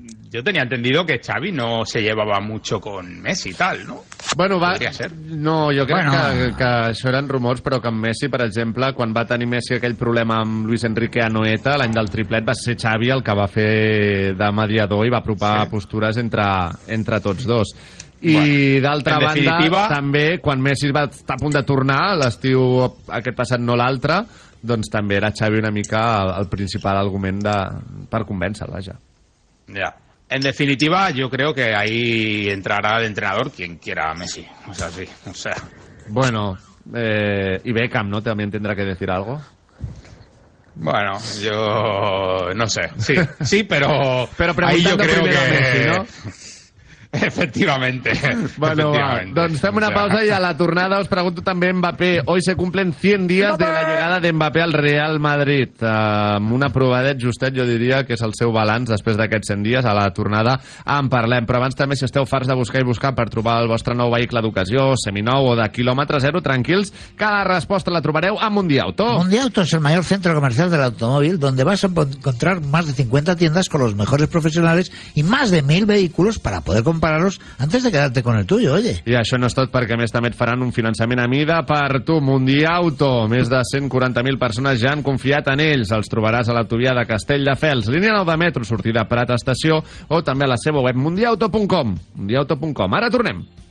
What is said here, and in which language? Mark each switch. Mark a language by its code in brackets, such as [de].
[es] Yo tenía entendido que Xavi no se llevaba mucho con Messi y tal, ¿no? Bueno, va. Podría ser. No, yo creo que eso eran rumores, pero con Messi, por ejemplo, cuando va a tener Messi aquel problema con Luis Enrique Anoeta, el año del triplet, [ca] va ser Xavi el que va fer de mediador y va apropar [es] sí. [ca] Postures entre tots dos. I bueno, d'altra banda, també, quan Messi va estar a punt de tornar, l'estiu aquest passat, no l'altre, doncs també era Xavi una mica el principal argument per convèncer, vaja. Ja. Yeah. [es] En definitiva, yo creo que ahí entrará el entrenador quien quiera a Messi. O sea, sí. O sea. Bueno, i Beckham, ¿no? También tendrá que decir algo. Bueno, yo no sé. Sí, pero preguntando ahí yo creo que... a Messi, ¿no? Efectivamente. [ca] Bueno, efectivamente. Doncs fem una pausa i a la tornada us pregunto també Mbappé. [es] Hoy se cumplen 100 dies de la llegada d'Mbappé al Real Madrid. [ca] Amb una provadet justet, jo diria, que és el seu balanç després d'aquests 100 dies. A la tornada en parlem. Però abans també, si esteu farts de buscar i buscar per trobar el vostre nou vehicle d'ocasió, seminou o de quilòmetre zero, tranquils, que la resposta la trobareu a Mundi Auto. Mundi Auto és el major centre comercial de l'automòbil [es] donde vas a encontrar más de 50 tiendas con los mejores profesionales y más de 1000 vehículos para poder compararlos antes de quedarte con el tuyo, oye. [ca] I això no és tot, perquè a més també et faran un finançament a mida per tu, Mundi Auto. Més de 140.000 persones ja han confiat en ells. Els trobaràs a l'autovia de Castelldefels, línia 9 de metro, sortida Prat Estació, o també a la seva web mundiauto.com. Mundiauto.com. Ara tornem.